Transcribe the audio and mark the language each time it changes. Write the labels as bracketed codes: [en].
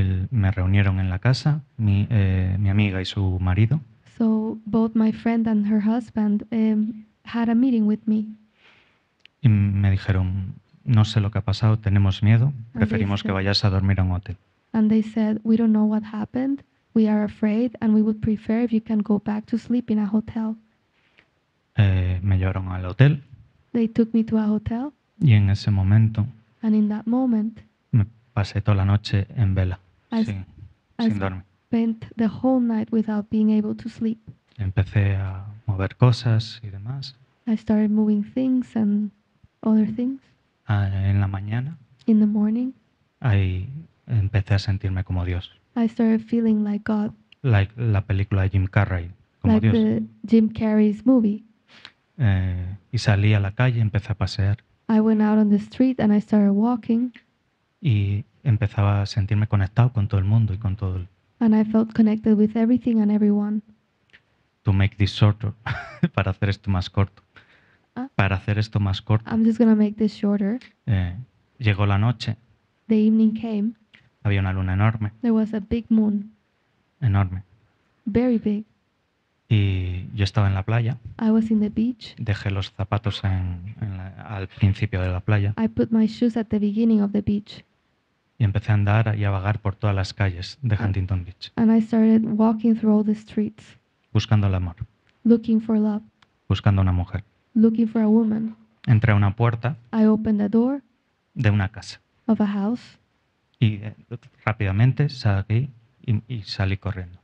[es] me reunieron en la casa, mi amiga y su marido. [en] So both my friend and her husband had a meeting with me. [es] Y me dijeron, no sé lo que ha pasado, tenemos miedo, preferimos que vayas a dormir a un hotel. [en] And they said, we don't know what happened, we are afraid, and we would prefer if you can go back to sleep in a hotel. [es] Me llevaron al hotel. [en] They took me to a hotel. [es] Y en ese momento, [en] and in that moment, [es] me pasé toda la noche en vela, sin dormir. [en] I spent the whole night without being able to sleep. [es] Empecé a mover cosas y demás. [en] I started moving things and other things. [es] En la mañana. [en] In the morning. [es] Ahí empecé a sentirme como Dios. [en] I started feeling like God. [es] Like la película de Jim Carrey, como [en] like [es] Dios. [en] Like the Jim Carrey's movie. [es] Y salí a la calle y empecé a pasear. [en] I went out on the street and I started walking. [es] Y empezaba a sentirme conectado con todo el mundo y con todo. [en] And I felt connected with everything and everyone. To make this shorter, [es] para hacer esto más corto. Para hacer esto más corto. [en] I'm just gonna make this shorter. [es] Llegó la noche. [en] The evening came. [es] Había una luna enorme. [en] There was a big moon. [es] Enorme. [en] Very big. [es] Y yo estaba en la playa. [en] I was in the beach. [es] Dejé los zapatos al principio de la playa. [en] I put my shoes at the beginning of the beach. [es] Y empecé a andar y a vagar por todas las calles de Huntington Beach. [en] And I started walking through all the streets. [es] Buscando el amor. [en] Looking for love. [es] Buscando una mujer. [en] Looking for a woman. [es] Entré a una puerta. [en] I opened a door. [es] De una casa. [en] Of a house. [es] Y rápidamente salí y salí corriendo.